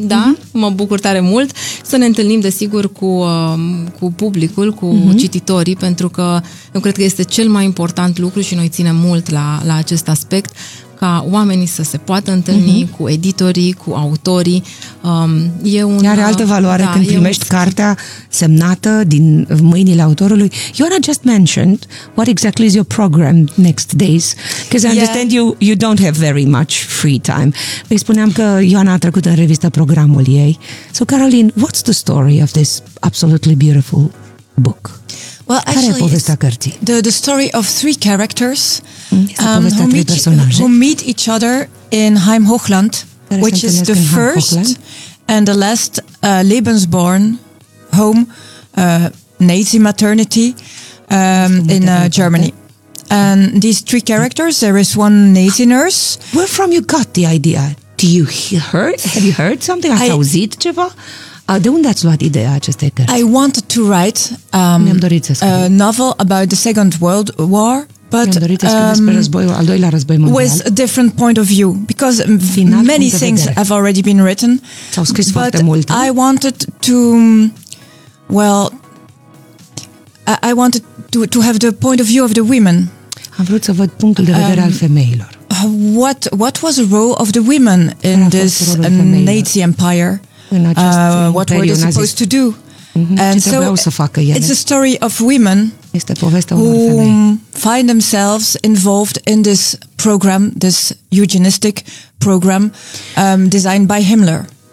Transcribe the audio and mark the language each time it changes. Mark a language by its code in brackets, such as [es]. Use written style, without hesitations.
[ro] Da, mă bucur tare mult să ne întâlnim, desigur, cu publicul, cu cititorii, pentru că eu cred că este cel mai important lucru și noi ținem mult la acest aspect, ca oamenii să se poată întâlni cu editorii, cu autorii. Are altă valoare când primești cartea semnată din mâinile autorului. [en] Ioana just mentioned, what exactly is your program next days? Because I understand you don't have very much free time. [ro] Îi spuneam că Ioana a trecut în revistă programul ei. [en] So, Caroline, what's the story of this absolutely beautiful book? Well, actually, the story of three characters who meet each other in Heim Hochland, which is the first and the last Lebensborn home, Nazi maternity in Germany. And these three characters, there is one Nazi nurse. Where from you got the idea? Do you hear? Have you heard something? [ro] Ați auzit ceva? De unde ați luat ideea acestei cărți? [en] I wanted to write a novel about the Second World War, but with a different point of view, because many things have already been written, but I wanted to, I wanted to have the point of view of the women. [ro] Am vrut să văd punctul de vedere al femeilor. [en] What was the role of the women in this Nazi empire? What were they supposed to do? And so it's a story of women who find themselves involved in this program, this eugenistic program designed by Himmler.